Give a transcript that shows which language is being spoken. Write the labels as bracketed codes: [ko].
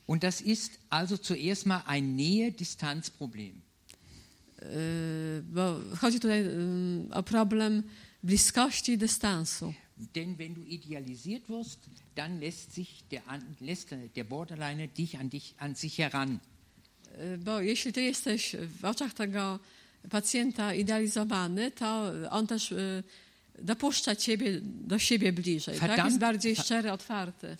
[de] Und das ist also zuerst mal ein Nähe-Distanz-Problem. [pl] Bo chodzi tutaj o problem bliskości i dystansu. [de] Denn wenn du idealisiert wirst, dann lässt der Borderliner dich an sich heran. [pl] Bo jeśli ty jesteś w oczach tego pacjenta idealizowany, to on też dopuszcza ciebie do siebie bliżej. Verdammt, tak? Jest bardziej szczery, otwarty.